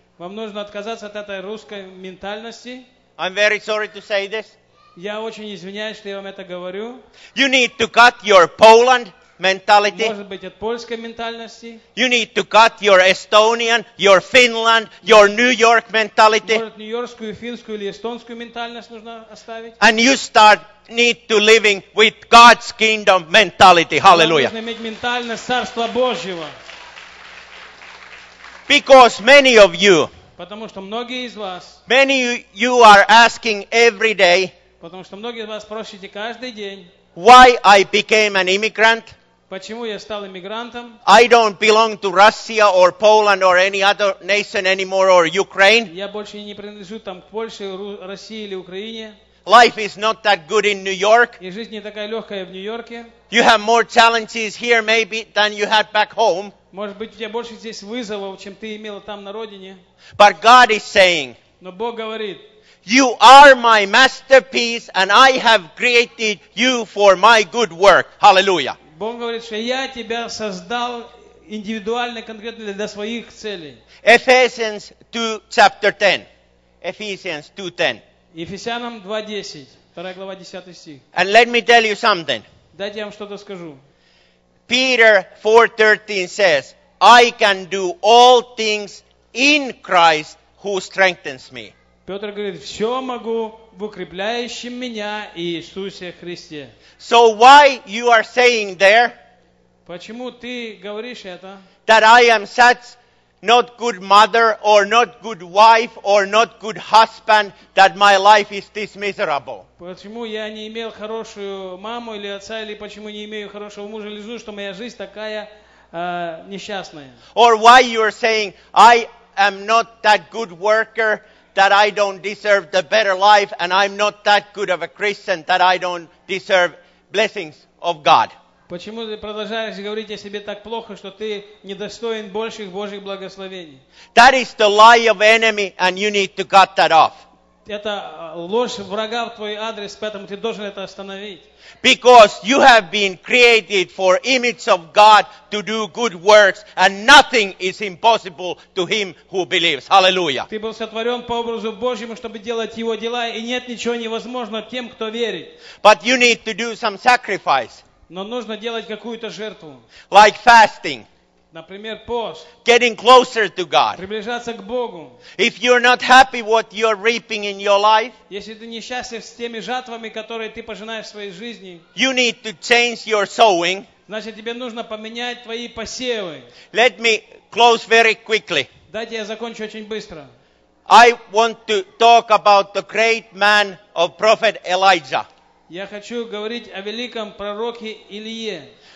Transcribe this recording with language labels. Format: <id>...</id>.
<ru>Вам нужно отказаться от этой русской ментальности.</ru> <en>I'm very sorry to say this.</en> <ru>Я очень извиняюсь, что я вам это говорю.</ru> <en>You need to cut your Poland mentality.</en> <ru>Может быть, от польской ментальности.</ru> <en>You need to cut your Estonian, your Finland, your New York mentality.</en> <ru>Может, нью-йоркскую, финскую или эстонскую ментальность нужно оставить.</ru> <en>And you need to living with God's kingdom mentality. Hallelujah.</en> <ru>Нужно иметь ментальность Царства Божьего.</ru> <en>Because many of you,</en> <ru>потому что многие из вас,</ru> <en>many you are asking every day,</en> <ru>потому что многие из вас просите каждый день,</ru> <en>why I became an immigrant?</en> <ru>Почему я стал иммигрантом?</ru> <en>I don't belong to Russia or Poland or any other nation anymore or Ukraine.</en> <ru>Я больше не принадлежу там к Польше, России или Украине.</ru> <en>Life is not that good in New York.</en> <ru>И жизнь не такая легкая в Нью-Йорке.</ru> <en>You have more challenges here maybe than you had back home.</en> <ru>Может быть, у тебя больше здесь вызовов, чем ты имел там на родине.</ru> <en>But God is saying.</en> <ru>Но Бог говорит.</ru> <en>You are my masterpiece and I have created you for my good work. Hallelujah.</en> <ru>Бог говорит, что я тебя создал индивидуально, конкретно для своих целей.</ru> <en>Ephesians 2, chapter 10. Ephesians 2, 10.</en> <ru>Ефесянам 2:10, 2 глава 10 стих.</ru> <en>And let me tell you something.</en> <ru>Дайте я вам что-то скажу.</ru> <en>Peter 4:13 says, I can do all things in Christ who strengthens me.</en> <ru>Петр говорит, все могу в укрепляющем меня Иисусе Христе.</ru> <en>So why you are saying there?</en> <ru>Почему ты говоришь это?</ru> <en>That I am such not good mother or not good wife or not good husband that my life is this miserable.</en> <ru>Почему я не имел хорошую маму или отца, или почему не имею хорошего мужа или жену, что моя жизнь такая несчастная?</ru> <en>Or why you are saying I am not that good worker that I don't deserve the better life and I'm not that good of a Christian that I don't deserve blessings of God.</en> <ru>Почему ты продолжаешь говорить о себе так плохо, что ты недостоин больших Божьих благословений?</ru> <en>That is the lie of enemy, and you need to cut that off.</en> <ru>Это ложь врага в твой адрес, поэтому ты должен это остановить.</ru> <en>Because you have been created for image of God to do good works, and nothing is impossible to him who believes. Hallelujah.</en> <ru>Ты был сотворен по образу Божьему, чтобы делать его дела, и нет ничего невозможного тем, кто верит.</ru> <en>But you need to do some sacrifice.</en> <ru>Но нужно делать какую-то жертву.</ru> <en>Like fasting.</en> <ru>Например, пост.</ru> <en>Getting closer to God.</en> <ru>Приближаться к Богу.</ru> <en>If you're not happy what you're reaping in your life.</en> <ru>Если ты несчастлив с теми жатвами, которые ты пожинаешь в своей жизни.</ru> <en>You need to change your sowing.</en> <ru>Значит, тебе нужно поменять твои посевы.</ru> <en>Let me close very quickly.</en> <ru>Дайте я закончу очень быстро.</ru> <en>I want to talk about the great man of prophet Elijah.</en> <ru>Я хочу говорить о великом пророке Илье.</ru>